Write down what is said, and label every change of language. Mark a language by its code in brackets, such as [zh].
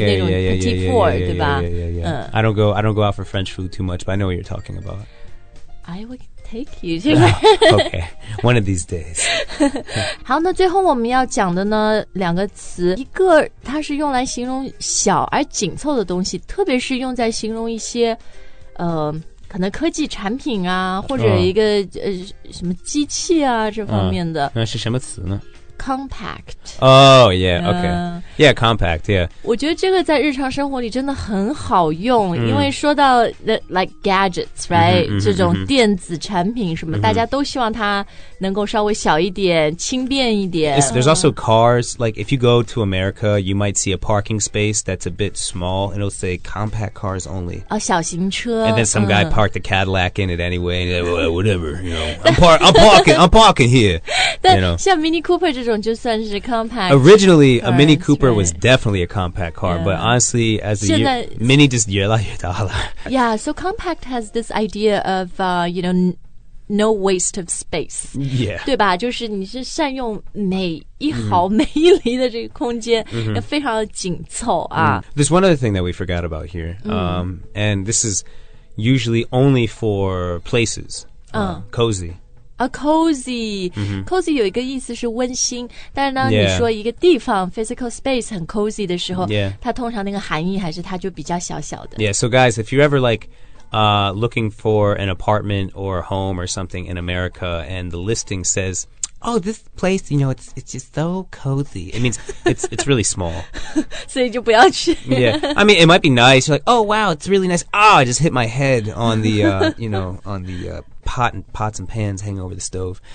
[en] okay. [zh] 那种 petite four, 对吧 [en] yeah. I don't go out for French food too much, but I know what you're talking about. I would... Take you to okay, one of these days. [zh] 好，那最后我们要讲的呢，两个词，一个它是用来形容小而紧凑的东西，特别是用在形容一些，可能科技产品啊，或者一个、什么机器啊这方面的。那是什么词呢？ [en] Compact. Oh, yeah, okay. Yeah, compact, yeah. [zh] 我觉得这个在日常生活里真的很好用、 [en] mm. [zh] 因为说到 [en] like gadgets, right? Mm-hmm, [zh] 这种电子产品什么、 [en] mm-hmm. [zh] 大家都希望它能够稍微小一点轻便一点 [en] There's also cars. Like if you go to America, you might see a parking space that's a bit small and it'll say compact cars only. [zh] 哦、小型车 [en] And then some guy parked a Cadillac in it anyway. And like, well, whatever, you know. I'm parking here. You know. [zh] 像 Mini Cooper这种就算是 compact [en] originally cars, a Mini Cooper、right. was definitely a compact car、yeah. but honestly as the Mini just [zh] 越来越大了 [en] yeah so compact has this idea of you know no waste of space yeah [zh] 对吧就是你是善用每一毫每一厘的这个空间、 [en] mm-hmm. [zh] 非常的紧凑啊、 [en] mm. there's one other thing that we forgot about here、mm. And this is usually only for places cozy A cozy、 mm-hmm. [zh] Cozy 有一个意思是温馨但是呢、 [en] yeah. [zh] 你说一个地方 [en] Physical space [zh] 很 cozy 的时候、 [en] yeah. [zh] 它通常那个含义还是它就比较小小的 [en] Yeah, so guys If you're ever like looking for an apartment or a home or something in America, and the listing says, oh, this place, you know, it's just so cozy. It means it's really small. [zh] 所以就不要去。 [en] Yeah. I mean, it might be nice. You're like, oh, wow, it's really nice. Ah, I just hit my head on the, you know, on the pots and pans hanging over the stove.